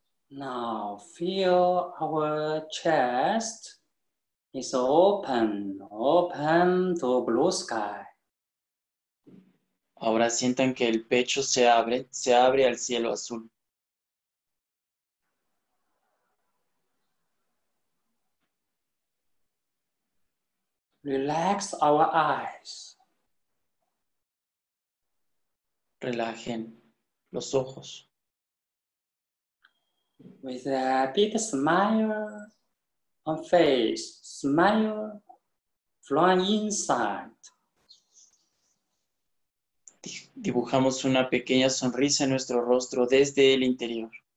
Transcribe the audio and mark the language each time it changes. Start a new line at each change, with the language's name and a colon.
English: Now feel our chest is open, open to blue sky.
Spanish: Ahora sientan que el pecho se abre al cielo azul.
English: Relax our eyes.
Spanish: Relajen los ojos.
English: With a big smile on face, smile from inside.
Spanish: Dibujamos una pequeña sonrisa en nuestro rostro desde el interior.